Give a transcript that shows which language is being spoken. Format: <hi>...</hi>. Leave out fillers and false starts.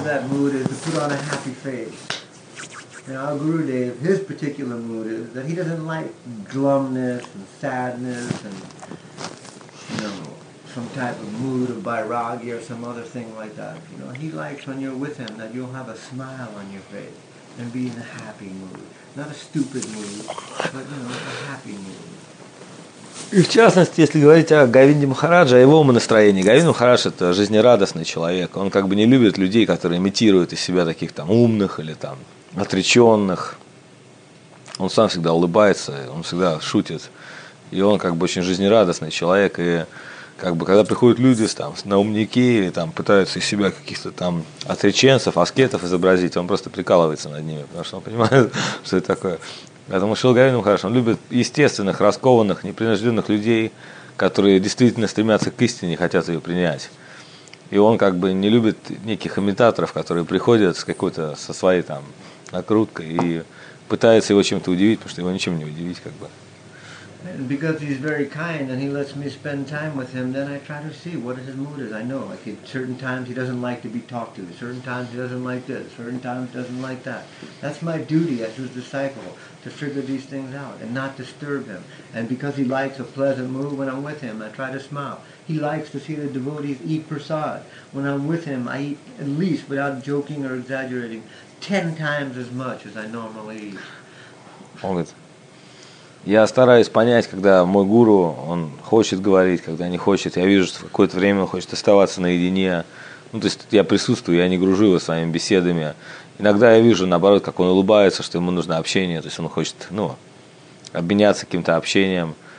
<en>And our Guru Dev, his particular mood is that he doesn't like glumness and sadness and, you know, some type of mood of vairagya or some other thing like that. You know, he likes when you're with him that you'll have a smile on your face and be in a happy mood. Not a stupid mood, but, you know, a happy mood.</en> <ru>И в частности, если говорить о Говинде Махарадже, о его умонастроении. Говинда Махарадж – это жизнерадостный человек. Он как бы не любит людей, которые имитируют из себя таких там умных или там отреченных. Он сам всегда улыбается, он всегда шутит. И он как бы очень жизнерадостный человек. И как бы когда приходят люди там, на умники или там пытаются из себя каких-то там отреченцев, аскетов изобразить, он просто прикалывается над ними, потому что он понимает, что это такое. Поэтому Шрила Говинда Махарадж, он любит естественных, раскованных, непринужденных людей, которые действительно стремятся к истине и хотят ее принять. И он как бы не любит неких имитаторов, которые приходят с какой-то, со своей там накруткой и пытаются его чем-то удивить, потому что его ничем не удивить, как бы.</ru> <en>Because he's very kind and he lets me spend time with him, then I try to see what his mood is. I know, like certain times he doesn't like to be talked to, certain times he doesn't like this, certain times he doesn't like that. That's my duty as his disciple, to figure these things out and not disturb him. And because he likes a pleasant mood when I'm with him, I try to smile. He likes to see the devotees eat prasad. When I'm with him, I eat, at least without joking or exaggerating, 10 times as much as I normally eat.</en> <ru>Я стараюсь понять, когда мой гуру, он хочет говорить, когда не хочет. Я вижу, что в какое-то время он хочет оставаться наедине. Ну, то есть я присутствую, я не гружу его своими беседами. Иногда я вижу, наоборот, как он улыбается, что ему нужно общение. То есть он хочет, ну, обменяться каким-то общением.</ru>